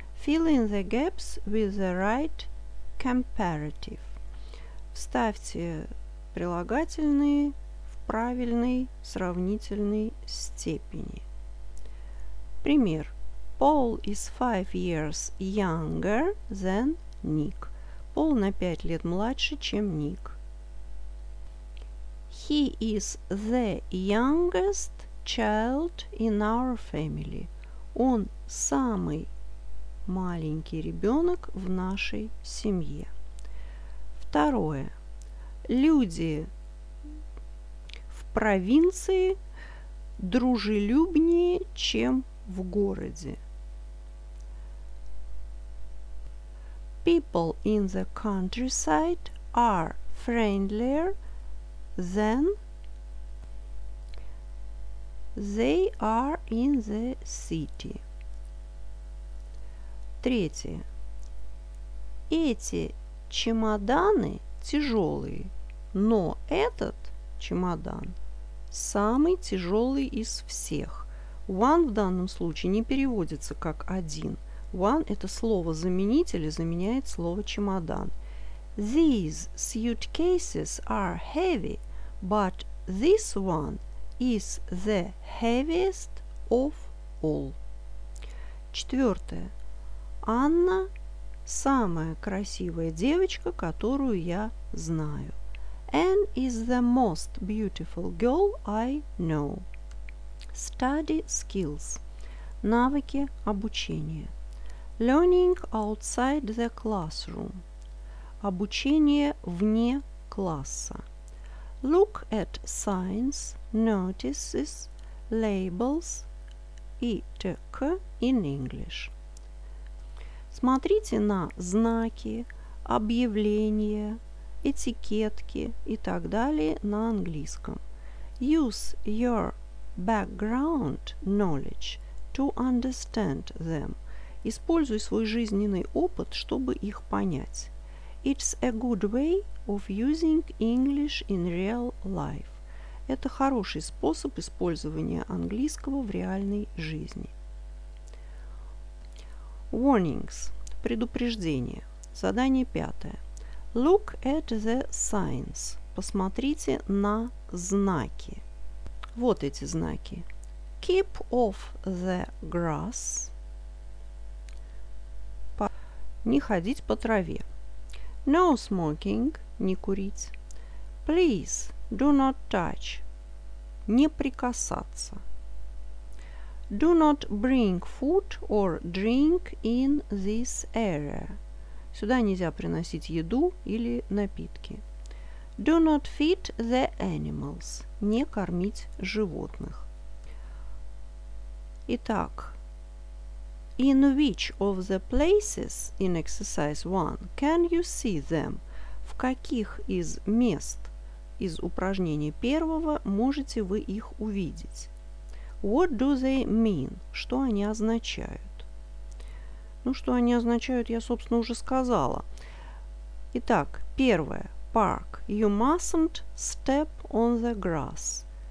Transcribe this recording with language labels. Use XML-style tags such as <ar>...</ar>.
<en>Fill in the gaps with the right comparative.</en> <ru>Вставьте прилагательные в правильной сравнительной степени.</ru> <en>Пример. Paul is 5 years younger than Nick.</en> <ru>Paul на 5 лет младше, чем Ник.</ru> <en>He is the youngest child in our family.</en> <ru>Он самый маленький ребенок в нашей семье. Второе. Люди в провинции дружелюбнее, чем в городе.</ru> <en>People in the countryside are friendlier than they are in the city.</en> <ru>Третье. Эти чемоданы тяжелые, но этот чемодан самый тяжелый из всех. One в данном случае не переводится как один. One – это слово-заменитель и заменяет слово «чемодан».</ru> <en>These suitcases are heavy, but this one is the heaviest of all.</en> <ru>Четвертое. Анна – самая красивая девочка, которую я знаю.</ru> <en>Anne is the most beautiful girl I know. Study skills.</en> <ru>Навыки обучения.</ru> <en>Learning outside the classroom.</en> <ru>Обучение вне класса.</ru> <en>Look at signs, notices, labels, etc. in English.</en> <ru>Смотрите на знаки, объявления, этикетки и так далее на английском.</ru> <en>Use your background knowledge to understand them.</en> <ru>Используй свой жизненный опыт, чтобы их понять.</ru> <en>It's a good way of using English in real life.</en> <ru>Это хороший способ использования английского в реальной жизни. Warnings. Предупреждение. Задание пятое.</ru> <en>Look at the signs.</en> <ru>Посмотрите на знаки. Вот эти знаки.</ru> <en>Keep off the grass.</en> <ru>Не ходить по траве.</ru> <en>No smoking.</en> <ru>Не курить.</ru> <en>Please do not touch.</en> <ru>Не прикасаться.</ru> <en>Do not bring food or drink in this area.</en> <ru>Сюда нельзя приносить еду или напитки.</ru> <en>Do not feed the animals.</en> <ru>Не кормить животных.</ru> <en>Итак, in which of the places in exercise 1 can you see them?</en> <ru>В каких из мест из упражнения первого можете вы их увидеть?</ru> <en>What do they mean?</en> <ru>Что они означают? Ну, что они означают, я, собственно, уже сказала. Итак, первое.</ru> <en>Park. You mustn't step on the grass.</en>